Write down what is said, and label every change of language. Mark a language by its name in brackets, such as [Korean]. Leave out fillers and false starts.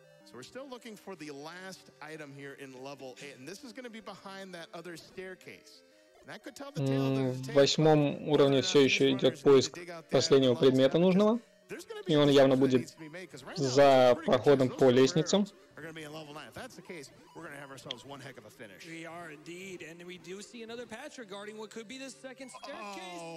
[English] So we're still looking for the last item here in level 8, and this is going to be behind that other staircase. And that could tell the tale of the. [Russian] В восьмом уровне все еще идет поиск последнего предмета нужного, и он явно будет за проходом по лестницам. [English] We are indeed, and we do see another patch regarding what could be the second staircase.